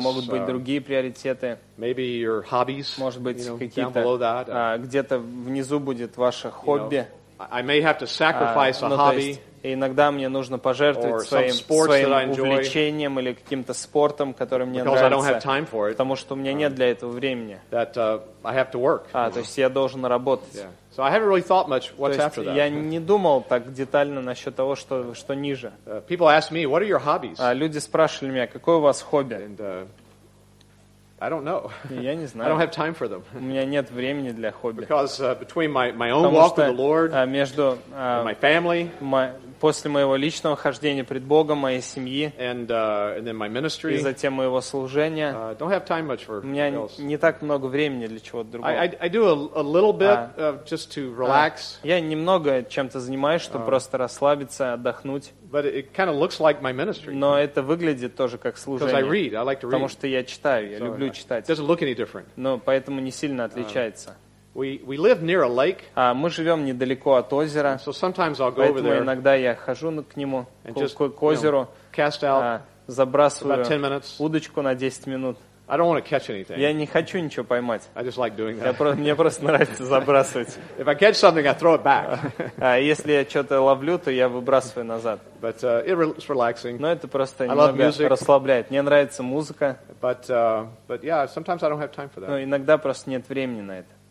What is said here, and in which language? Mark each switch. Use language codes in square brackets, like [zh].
[ru] Могут быть другие приоритеты. [en] Maybe your hobbies. [ru] Может быть, [en] you know, [ru] какие-то, [en] down below that. [ru] Где-то внизу будет ваше хобби. [en] You know, I may have to sacrifice a hobby. [ru] Иногда мне нужно пожертвовать своим увлечением или каким-то спортом, который мне [en] because [ru] нравится. [en] I don't have time for it. [ru] Потому что у меня нет для этого времени. [en] That I have to work. [ru] То есть я должен работать. [en] Yeah. So I haven't really thought much what's after that. [ru] Я не думал так детально насчет того, что ниже. [en] People ask me, what are your hobbies? [ru] Люди спрашивали меня, какое у вас хобби? [en] And, I don't know. [ru] Я не знаю. [en] I don't have time for them. [ru] У меня нет времени для хобби. [en] Because between my own walk with the Lord, [ru] между [en] my family, [ru] после моего личного хождения пред Богом, моей семьи, [en] and then my ministry, [ru] и затем моего служения, [en] don't have time much for [ru] у меня не так много времени для чего-то другого. [en] I do a little bit just to relax. [ru] Я немного чем-то занимаюсь, чтобы просто расслабиться, отдохнуть. [en] But it kind of looks like my ministry. [ru] Но это выглядит тоже как служение. [en] Because I read, I like to read. [ru] Потому что я читаю, я люблю читать. [en] It doesn't look any different. [ru] Но поэтому не сильно отличается. [en] We live near a lake. [ru] Мы живем недалеко от озера. [en] So sometimes I'll go [ru] поэтому [en] over there. [ru] Поэтому иногда я хожу к нему, к озеру, [en] cast out, [ru] забрасываю [en] about 10 minutes. [ru] Удочку на 10 минут. [en] I don't want to catch anything. [ru] Я не хочу ничего поймать. [en] I just like doing that. [ru] Мне просто нравится забрасывать. [en] If I catch something, I throw it back. [ru] Если я что-то ловлю, то я выбрасываю назад. [en] But it's relaxing. [ru] Но это просто немного расслабляет. Мне нравится музыка. [en] But yeah, sometimes I don't have time for that. [ru] Но иногда просто нет времени на это.